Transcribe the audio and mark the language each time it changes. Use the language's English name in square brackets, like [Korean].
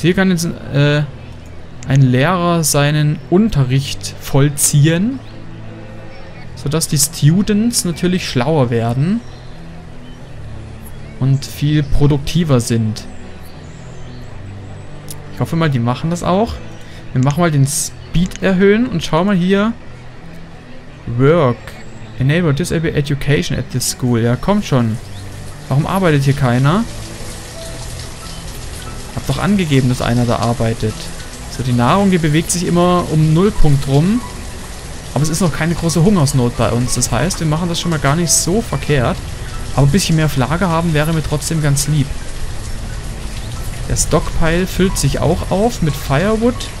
[German] Hier kann jetzt ein Lehrer seinen Unterricht vollziehen, sodass die Students natürlich schlauer werden und viel produktiver sind. Ich hoffe mal, die machen das auch. Wir machen mal den Speed erhöhen und schauen mal hier. [English] Work. Enable disabled education at this school. [German] Ja, kommt schon. Warum arbeitet hier keiner? Hab doch angegeben, dass einer da arbeitet. So, die Nahrung, die bewegt sich immer um Nullpunkt rum. Aber es ist noch keine große Hungersnot bei uns. Das heißt, wir machen das schon mal gar nicht so verkehrt. Aber ein bisschen mehr Flagge haben, wäre mir trotzdem ganz lieb. Der Stockpile füllt sich auch auf mit Firewood.